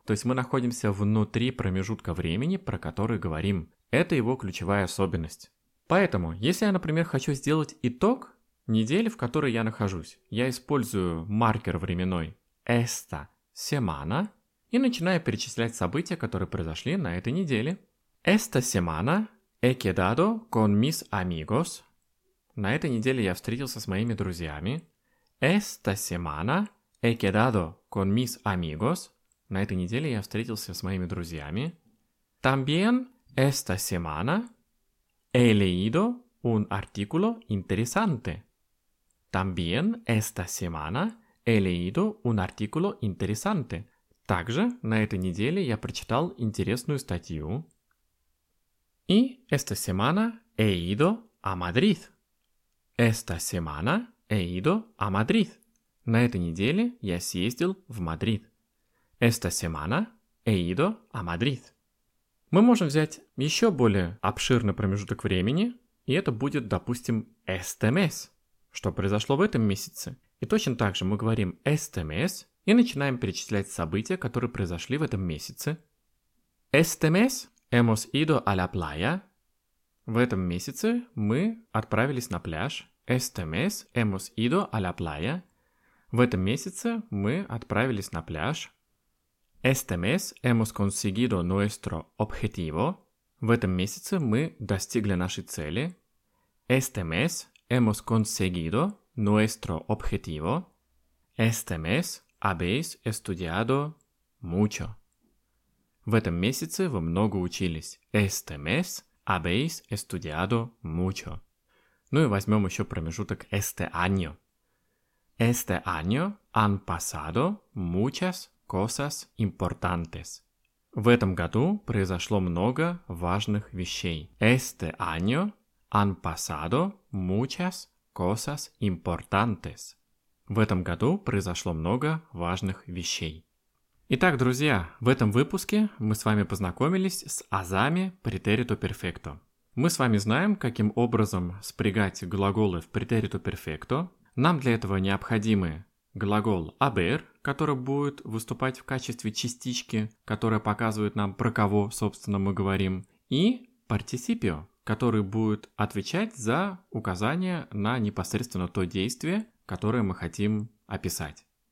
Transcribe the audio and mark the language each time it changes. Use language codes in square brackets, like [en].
[ru] То есть мы находимся внутри промежутка времени, про который говорим. Это его ключевая особенность. Поэтому, если я, например, хочу сделать итог недели, в которой я нахожусь, я использую маркер временной «esta semana» и начинаю перечислять события, которые произошли на этой неделе. [es] «Esta semana he quedado con mis amigos». [ru] На этой неделе я встретился с моими друзьями. [es] «Esta semana he quedado con mis amigos». [ru] На этой неделе я встретился с моими друзьями. [es] «También esta semana he leído un artículo interesante». «También esta semana he leído un artículo interesante». [ru] Также на этой неделе я прочитал интересную статью. «И [es] esta semana he ido a Madrid». «Esta semana he ido a Madrid». [ru] На этой неделе я съездил в Мадрид. [es] «Esta semana he ido a Madrid». [ru] Мы можем взять еще более обширный промежуток времени, и это будет, допустим, «este mes». Что произошло в этом месяце? И точно так же мы говорим este mes и начинаем перечислять события, которые произошли в этом месяце. [es] Este mes hemos ido a la playa. [ru] В этом месяце мы отправились на пляж. [es] Este mes hemos ido a la playa. [ru] В этом месяце мы отправились на пляж. [es] Este mes hemos conseguido nuestro objetivo. [ru] В этом месяце мы достигли нашей цели. [es] Este mes hemos conseguido nuestro objetivo. Este mes habéis estudiado mucho. [ru] В этом месяце вы много учились. [es] Este mes habéis estudiado mucho. [ru] Ну и возьмем еще промежуток este año. [es] Este año han pasado muchas cosas importantes. [ru] В этом году произошло много важных вещей. [es] Este año han pasado muchas cosas importantes. [ru] В этом году произошло много важных вещей. Итак, друзья, в этом выпуске мы с вами познакомились с азами претерито перфекто. Мы с вами знаем, каким образом спрягать глаголы в претерито перфекто. Нам для этого необходимы глагол haber, который будет выступать в качестве частички, которая показывает нам, про кого, собственно, мы говорим, и participio, который будет отвечать за указание на непосредственно то действие, которое мы хотим описать.